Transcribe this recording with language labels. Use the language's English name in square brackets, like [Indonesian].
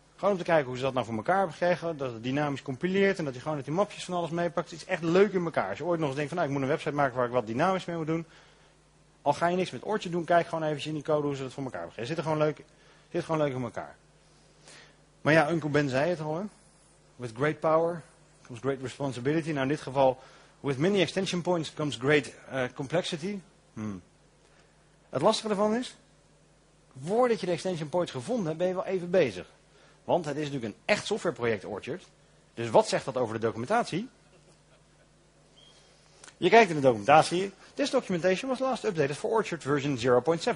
[Dutch] Gewoon om te kijken hoe ze dat nou voor elkaar hebben gekregen, dat het dynamisch compileert en dat je gewoon met die mapjes van alles meepakt. Het is echt leuk in elkaar. Als je ooit nog eens denkt van nou, ik moet een website maken waar ik wat dynamisch mee moet doen. Al ga je niks met Orchard doen, kijk gewoon eventjes in die code hoe ze dat voor elkaar hebben gekregen. Het zit gewoon leuk in elkaar. Maar ja, Uncle Ben zei het al, hè? [English] With great power comes great responsibility. Nou, in dit geval, with many extension points comes great complexity. [Dutch] Het lastige ervan is, voordat je de extension points gevonden hebt, ben je wel even bezig. Want het is natuurlijk een echt softwareproject, Orchard. Dus wat zegt dat over de documentatie? Je kijkt in de documentatie. [English] This documentation was last updated for Orchard version 0.7.